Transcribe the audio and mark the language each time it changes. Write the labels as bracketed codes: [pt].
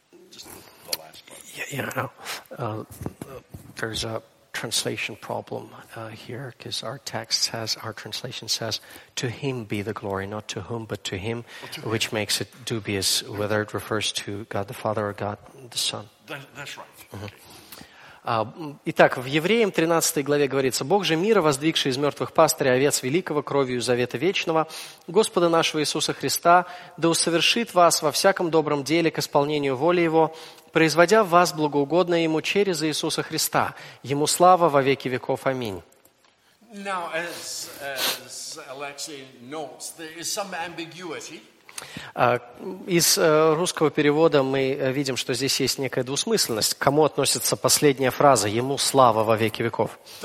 [en] Just the last part. There's a translation problem here, because our text says, our translation says, to him be the glory, not to whom, but to him, which makes it dubious whether it refers to God the Father or God the Son. That's right. [ru] Итак, в Евреям 13 главе говорится, «Бог же мира, воздвигший из мертвых пастырей овец великого кровью завета вечного, Господа нашего Иисуса Христа, да усовершит вас во всяком добром деле к исполнению воли Его, производя в вас благоугодное Ему через Иисуса Христа. Ему слава во веки веков. Аминь». [en] Now, as Alexei notes, there is some ambiguity. [ru] Из русского перевода мы видим, что здесь есть некая двусмысленность. К кому относится последняя фраза «Ему слава во веки веков»?